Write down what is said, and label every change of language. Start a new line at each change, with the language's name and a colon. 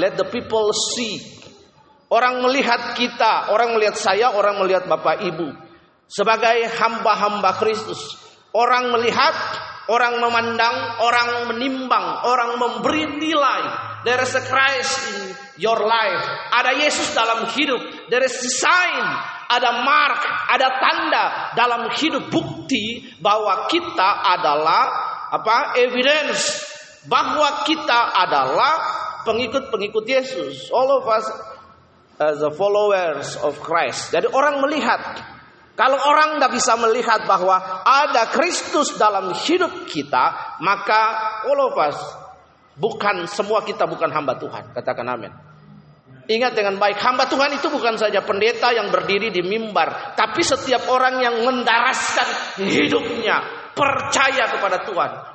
English: Let the people see.
Indonesian: Orang melihat kita, orang melihat saya, orang melihat Bapak Ibu sebagai hamba-hamba Kristus. Orang melihat, orang memandang, orang menimbang, orang memberi nilai.
English: There is a Christ in your life.
Indonesian: Ada Yesus dalam hidup.
English: There is a sign.
Indonesian: Ada mark, ada tanda dalam hidup, bukti bahwa kita adalah apa? Evidence bahwa kita adalah pengikut-pengikut Yesus.
English: All of us as the followers of Christ.
Indonesian: Jadi orang melihat. Kalau orang tidak bisa melihat bahwa ada Kristus dalam hidup kita, maka
English: all of us,
Indonesian: bukan semua kita bukan hamba Tuhan. Katakan amin. Ingat dengan baik, hamba Tuhan itu bukan saja pendeta yang berdiri di mimbar, tapi setiap orang yang mendaraskan hidupnya percaya kepada Tuhan.